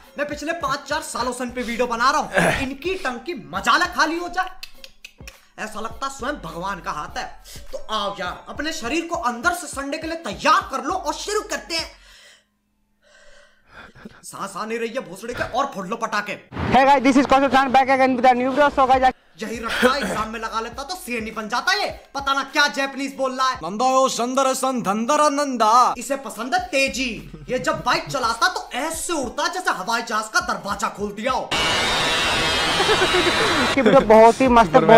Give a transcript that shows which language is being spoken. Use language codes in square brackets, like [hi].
[hi] मैं पिछले 5-4 सालों से इन पे वीडियो बना रहा हूं. इनकी टंकी मजालक खाली हो जाए, ऐसा लगता स्वयं भगवान का हाथ है. तो आओ यार, अपने शरीर को अंदर से संडे के लिए तैयार कर लो और शुरू करते हैं. सांस आने रही है भोसड़े के और फोड़ लो पटाखे. [en] Hey guys, this is Kaushal Khan back again with a new video. So guys, [hi] यही रखता एग्जाम में लगा लेता तो सीए नहीं बन जाता ये. पता ना क्या जापानीज बोल रहा है. नंदा ओ संदर सन धंदर नंदा. इसे पसंद है तेजी. ये जब बाइक चलाता तो ऐसे उड़ता जैसे हवाई जहाज का दरवाजा खोल दिया हो. वीडियो बहुत ही मस्त.